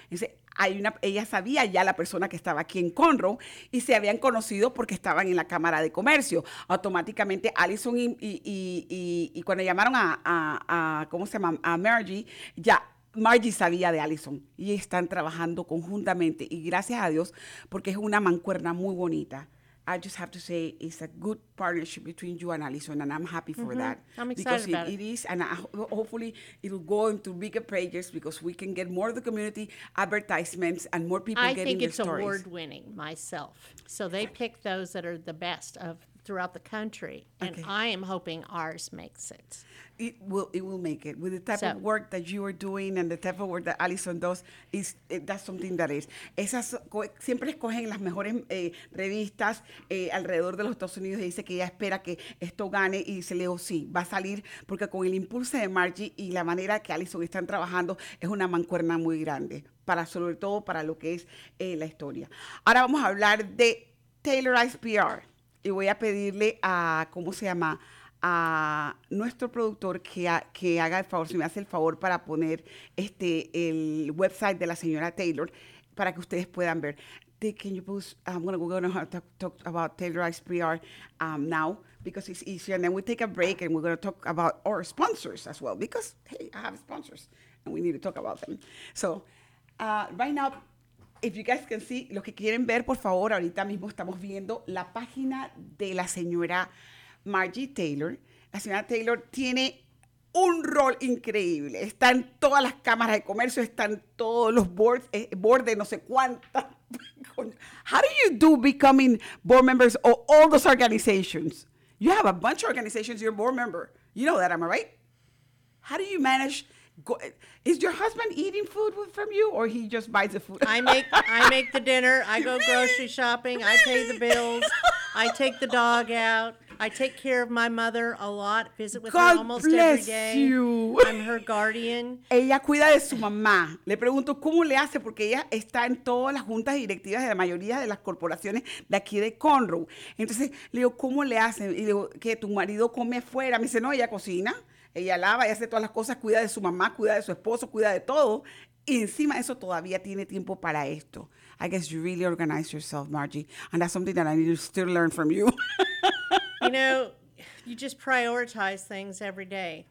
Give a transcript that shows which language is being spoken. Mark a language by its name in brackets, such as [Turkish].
[Spanish] Entonces, ella sabía ya la persona que estaba aquí en Conroe y se habían conocido porque estaban en la Cámara de Comercio. Automáticamente, Allison y cuando llamaron a ¿cómo se llama? A Margie, ya... Margie sabía de Allison y están trabajando conjuntamente y gracias a Dios porque es una mancuerna muy bonita. [English] I just have to say it's a good partnership between you and Allison, and I'm happy for mm-hmm. that. I'm excited because about it. Because it is, and hopefully it'll go into bigger pages because we can get more of the community advertisements and more people getting the stories. I think it's award-winning myself. So they pick those that are the best of throughout the country, and okay. I am hoping ours makes it. It will make it. With the type of work that you are doing and the type of work that Allison does, that's something that is. [Spanish] Esas siempre escogen las mejores revistas alrededor de los Estados Unidos y dice que ella espera que esto gane y dice, Leo, sí, va a salir, porque con el impulso de Margie y la manera que Allison están trabajando es una mancuerna muy grande, sobre todo para lo que es la historia. Ahora vamos a hablar de Taylorized PR. Y voy a pedirle a, ¿cómo se llama?, a nuestro productor que haga el favor, si me hace el favor, para poner el website de la señora Taylor para que ustedes puedan ver. [English] Can you post, we're going to talk about Taylorized PR now because it's easier. And then we take a break and we're going to talk about our sponsors as well because, hey, I have sponsors and we need to talk about them. So right now... If you guys can see, [Spanish] los que quieren ver, por favor, ahorita mismo estamos viendo la página de la señora Margie Taylor. La señora Taylor tiene un rol increíble. Está en todas las cámaras de comercio, está en todos los boards, board de no sé cuántas. [English] How do you do becoming board members of all those organizations? You have a bunch of organizations, you're a board member. You know that, am I right? How do you manage Is your husband eating food from you, or he just buys the food? I make the dinner. I go grocery shopping. I pay the bills. I take the dog out. I take care of my mother a lot. Visit with God her almost bless every day. You. I'm her guardian. [Spanish] Ella cuida de su mamá. Le pregunto cómo le hace porque ella está en todas las juntas directivas de la mayoría de las corporaciones de aquí de Conroe. Entonces le digo cómo le hacen y le digo que tu marido come fuera. Me dice no, ella cocina. Ella lava, ella hace todas las cosas, cuida de su mamá, cuida de su esposo, cuida de todo. Y encima de eso todavía tiene tiempo para esto. [English] I guess you really organize yourself, Margie. And that's something that I need to still learn from you. You know, you just prioritize things every day.